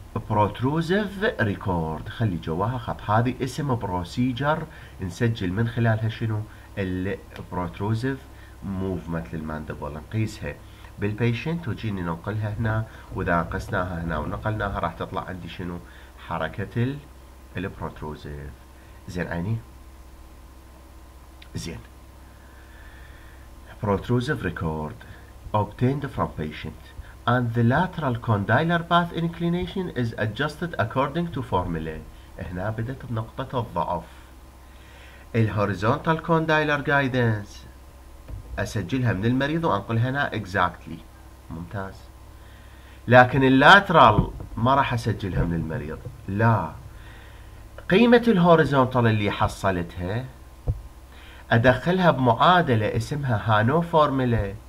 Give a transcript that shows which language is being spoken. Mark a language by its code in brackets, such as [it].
[ar] بروتروزيف ريكورد، خلي جواها خط، هذه اسم بروسيجر نسجل من خلالها شنو؟ البروتروزيف موفمنت للماندبل، نقيسها بالبيشنت وجيني ننقلها هنا، واذا قسناها هنا ونقلناها راح تطلع عندي شنو؟ حركه البروتروزيف. زين عيني؟ زين. [en] Protrusive record obtained from patient and the lateral condylar path inclination is adjusted according to formula. [ar] هنا بدات نقطه الضعف. الهوريزونتال كوندايلر جايدنس اسجلها من المريض وانقل هنا اكزاكتلي ممتاز. لكن اللاترال ما راح اسجلها من المريض، لا، قيمه الهوريزونتال اللي حصلتها ادخلها بمعادله اسمها هانو فورمولا.